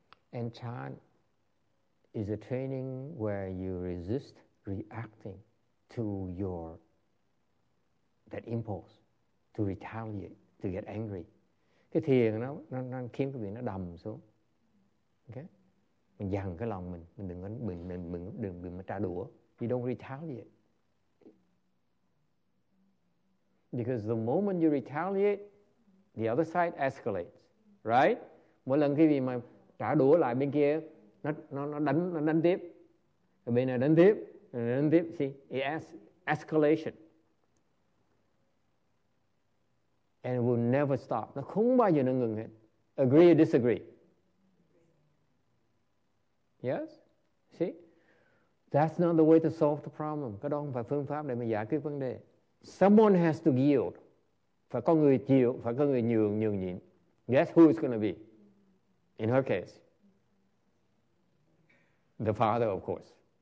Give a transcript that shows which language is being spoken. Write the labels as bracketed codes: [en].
[en] And chan is a training where you resist reacting to your that impulse to retaliate, to get angry. [vi] Cái thiền nó khiến cái việc nó đầm xuống. Okay? Mình dằn cái lòng mình đừng có đừng trả đũa. [en] You don't retaliate. Because the moment you retaliate, the other side escalates, right? [vi] Mỗi lần cái gì mà trả đũa lại bên kia nó đánh tiếp. Ở bên này đánh tiếp. [en] And then, see, it's escalation. And it will never stop. [vi] Nó không bao giờ nó ngừng hết. [en] Agree or disagree? Yes? See? That's not the way to solve the problem. [vi] Cái đó không phải phương pháp để mà giải quyết vấn đề. [en] Someone has to yield. [vi] Phải có người chịu, phải có người nhường nhịn. [en] Guess who it's going to be? In her case. The father, of course.